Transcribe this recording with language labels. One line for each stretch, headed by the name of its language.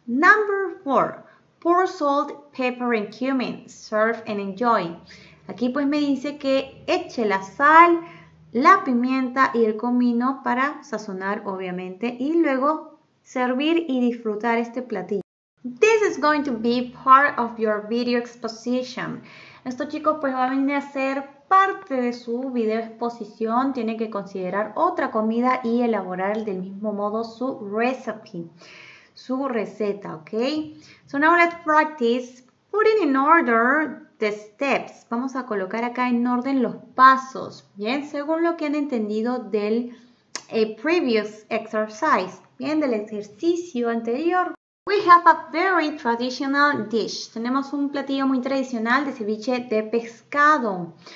English: Number 4. Pour salt, pepper and cumin. Serve and enjoy.
Spanish: Aquí pues me dice que eche la sal, la pimienta y el comino para sazonar obviamente y luego servir y disfrutar este platillo.
English: This is going to be part of your video exposition.
Spanish: Esto chicos pues va a venir a ser parte de su video exposición. Tienen que considerar otra comida y elaborar del mismo modo su recipe, su receta, ¿ok?
English: So now let's practice putting in order the steps.
Spanish: Vamos a colocar acá en orden los pasos, ¿bien? Según lo que han entendido del
English: previous exercise,
Spanish: ¿bien? Del ejercicio anterior.
English: We have a very traditional dish.
Spanish: Tenemos un platillo muy tradicional de ceviche de pescado.